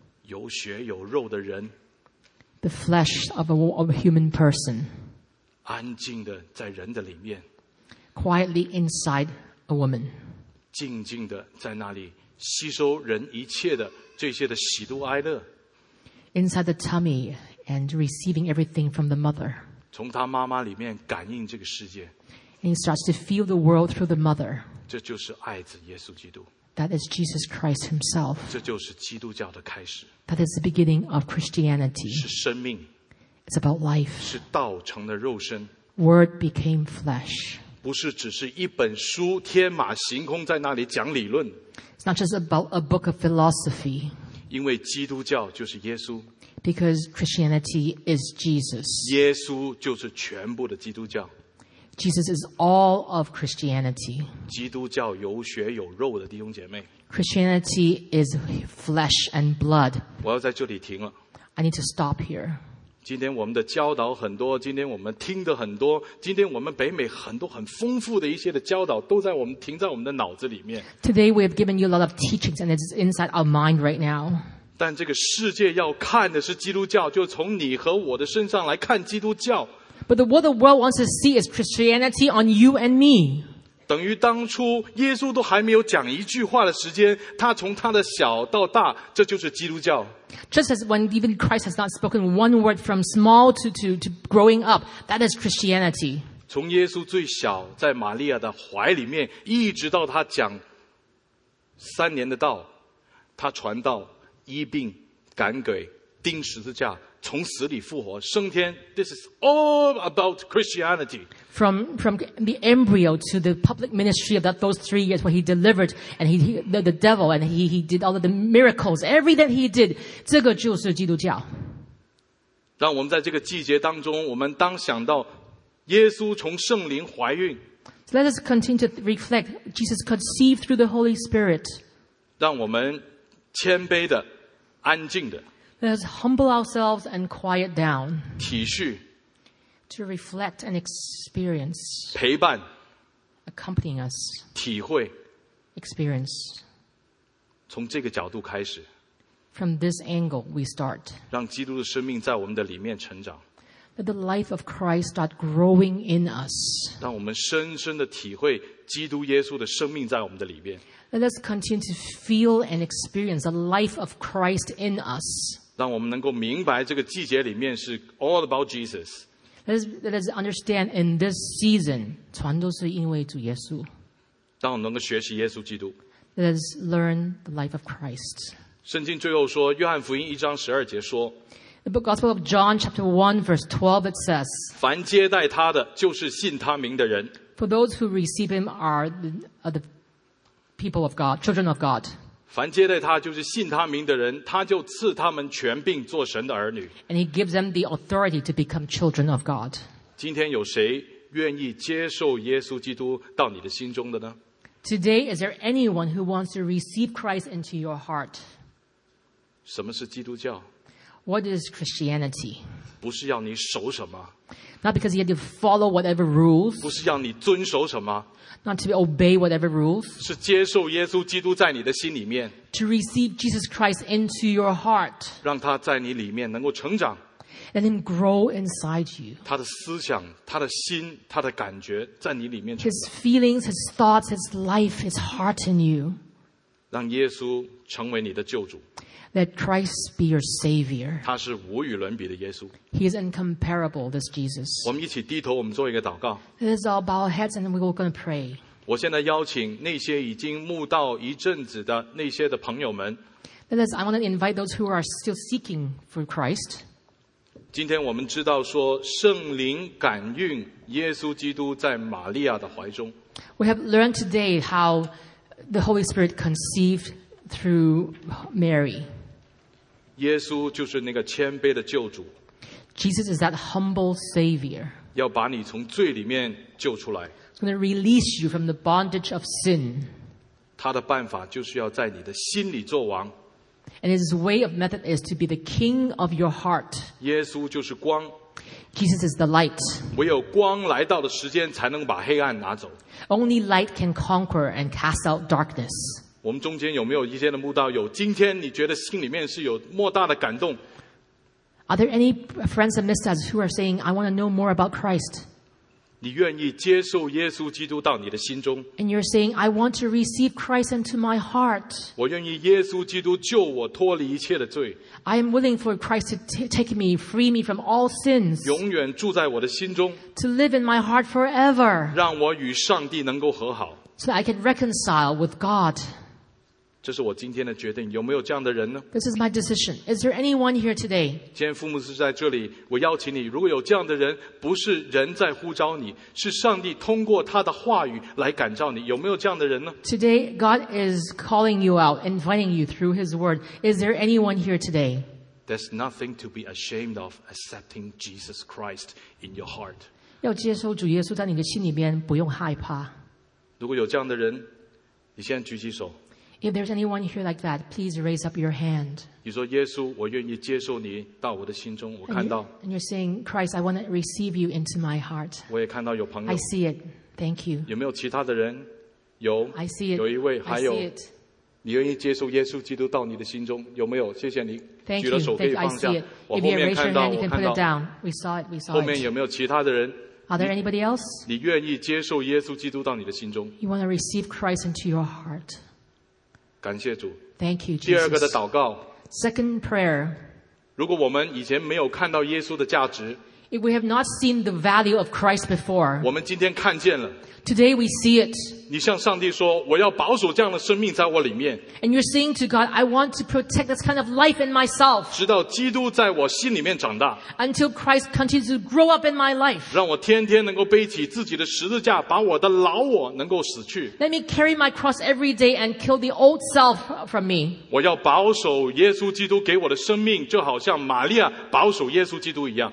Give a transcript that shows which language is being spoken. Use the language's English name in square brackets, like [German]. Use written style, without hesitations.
[Chinese] 有血有肉的人。 [English] The flesh of a human person. [Chinese] 安静的在人的里面。 [English] Quietly inside a woman. [Chinese] 静静的在那里吸收人一切的这些的喜怒哀乐。 [English] Inside the tummy and receiving everything from the mother. [Chinese] 从她妈妈里面感应这个世界。 [English] And he starts to feel the world through the mother. [Chinese] 这就是爱子耶稣基督。 [English] That is Jesus Christ himself. [Chinese] 这就是基督教的开始。 [English] That is the beginning of Christianity. [Chinese] 是生命。 [English] It's about life. [Chinese] 是道成的肉身。 [English] Word became flesh. [Chinese] 不是只是一本书天马行空在那里讲理论。 [English] It's not just about a book of philosophy. [Chinese] 因为基督教就是耶稣。 [English] Because Christianity is Jesus. [Chinese] 耶稣就是全部的基督教。 [English] Jesus is all of Christianity. [Chinese] 基督教有血有肉的弟兄姐妹。 [English] Christianity is flesh and blood. [Chinese] 我要在这里停了。 [English] I need to stop here. [Chinese] 今天我们的教导很多，今天我们听的很多，今天我们北美很多很丰富的一些的教导都在我们停在我们的脑子里面。 [English] Today we have given you a lot of teachings and it's inside our mind right now. [Chinese] 但这个世界要看的是基督教，就从你和我的身上来看基督教。 [English] But what the world wants to see is Christianity on you and me. [Chinese] 等于当初耶稣都还没有讲一句话的时间，他从他的小到大，这就是基督教。 [English] Just as when even Christ has not spoken one word from small to growing up, that is Christianity. [Chinese] 从耶稣最小在玛利亚的怀里面，一直到他讲三年的道，他传道。医病赶鬼钉十字架从死里复活升天 [English] This is all about Christianity. From the embryo to the public ministry of those 3 years where he delivered and the devil and he did all of the miracles, everything he did, [Chinese] 这个就是基督教。让我们在这个季节当中我们当想到耶稣从圣灵怀孕。 [English] So、let us continue to reflect, Jesus conceived through the Holy Spirit. [Chinese] 让我们谦卑的安静的 [English] Let us humble ourselves and quiet down. [Chinese] 体恤 [English] To reflect and experience. [Chinese] 陪伴 [English] Accompanying us. [Chinese] 体会 [English] Experience. [Chinese] 从这个角度开始 [English] From this angle we start. [Chinese] 让基督的生命在我们的里面成长 [English] Let the life of Christ start growing in us. [Chinese] 让我们深深的体会基督耶稣的生命在我们的里面 [English] Let us continue to feel and experience the life of Christ in us. [Chinese] 让我们能够明白这个季节里面是 [English] all about Jesus. Let us understand in this season, [Chinese] 全都是因为主耶稣。让我们能够学习耶稣基督。 [English] Let us learn the life of Christ. [Chinese] 圣经最后说，约翰福音一章十二节说。 [English] The Gospel of John, chapter 1, verse 12, it says, [Chinese] 凡接待他的就是信他名的人。 [English] For those who receive him are the People of God, children of God. [Chinese] 凡接待他就是信他名的人，他就赐他们权柄做神的儿女。 [English] And he gives them the authority to become children of God. [Chinese] 今天有谁愿意接受耶稣基督到你的心中的呢？ [English] Today, is there anyone who wants to receive Christ into your heart? [Chinese] 什么是基督教？ [English] What is Christianity? [Chinese] 不是要你守什么。 [English] Not because you have to follow whatever rules. [Chinese] 不是要你遵守什么。 [English] Not to obey whatever rules. [Chinese] 是接受耶稣基督在你的心里面。 [English] To receive Jesus Christ into your heart. [Chinese] 让他在你里面能够成长。 [English] Let him grow inside you. [Chinese] 他的思想、他的心、他的感觉在你里面成长。 [English] His feelings, his thoughts, his life, his heart in you. [Chinese] 让耶稣成为你的救主。 [English] Let Christ be your Savior. [Chinese] 他是无与伦比的耶稣。 [English] He is incomparable, this Jesus. [Chinese] 我们一起低头，我们做一个祷告。 [English] Let us all bow our heads and we're going to pray. [Chinese] 我现在邀请那些已经慕道一阵子的那些的朋友们。 [English] Let us, I want to invite those who are still seeking for Christ. [Chinese] 今天我们知道说圣灵感孕耶稣基督在玛利亚的怀中。 [English] We have learned today how the Holy Spirit conceived through Mary. [Chinese] 耶稣就是那个谦卑的救主。 [English] Jesus is that humble Savior. [Chinese] 要把你从罪里面救出来。 [English] He's going to release you from the bondage of sin. [Chinese] 他的办法就是要在你的心里做王。 [English] And his way of method is to be the king of your heart. [Chinese] 耶稣就是光。 [English] Jesus is the light. [Chinese] 唯有光来到的时间才能把黑暗拿走。 [English] Only light can conquer and cast out darkness. [Chinese] 我们中间有没有一些的慕道有今天你觉得心里面是有莫大的感动？ [English] Are there any friends amidst us who are saying, I want to know more about Christ? [Chinese] 你愿意接受耶稣基督到你的心中。 [English] And you're saying, I want to receive Christ into my heart. [Chinese] 我愿意耶稣基督救我脱离一切的罪。 [English] I am willing for Christ to take me, free me from all sins. [Chinese] 永远住在我的心中。 [English] To live in my heart forever. [Chinese] 让我与上帝能够和好。 [English] So that I can reconcile with God. [Chinese] 这是我今天的决定，有没有这样的人呢？ [English] This is my decision. Is there anyone here today? [Chinese] 今天父母是在这里，我邀请你，如果有这样的人，不是人在呼召你，是上帝通过他的话语来感召你，有没有这样的人呢？ [English] Today, God is calling you out, inviting you through His word. Is there anyone here today? There's nothing to be ashamed of accepting Jesus Christ in your heart. [Chinese] 要接受主耶稣在你的心里面，不用害怕。如果有这样的人，你现在举起手。 [English] If there's anyone here like that, please raise up your hand. [Chinese] 你说耶稣，我愿意接受你到我的心中，我看到。 [English] And you're saying, Christ, I want to receive you into my heart. [Chinese] 我也看到有朋友。 [English] I see it. Thank you. [Chinese] 有没有其他的人？有。 [English] I see it. [Chinese] 有一位，还有。 [English] I see it. [Chinese] 你愿意接受耶稣基督到你的心中？有没有？谢谢你。 [English] Thank you. [Chinese] 举了手可以放下。我后面看到，我看到。 [English] We saw it. We saw it. [Chinese] 后面有没有其他的人？ [English] Are there anybody else? [Chinese] 你愿意接受耶稣基督到你的心中 [English] ？You want to receive Christ into your heart. [Chinese] 感谢主。 [English] Thank you, Jesus. [Chinese] 第二个的祷告。 [English] Second prayer. [Chinese] 如果我们以前没有看到耶稣的价值 [English] ，If we have not seen the value of Christ before, [Chinese] 我们今天看见了。 [English] Today we see it. [Chinese] 你向上帝说，我要保守这样的生命在我里面。 [English] And you're saying to God, I want to protect this kind of life in myself. [Chinese] 直到基督在我心里面长大。 [English] Until Christ continues to grow up in my life. [Chinese] 让我天天能够背起自己的十字架，把我的老我能够死去。 [English] Let me carry my cross every day and kill the old self from me. [Chinese] 我要保守耶稣基督给我的生命，就好像玛利亚保守耶稣基督一样。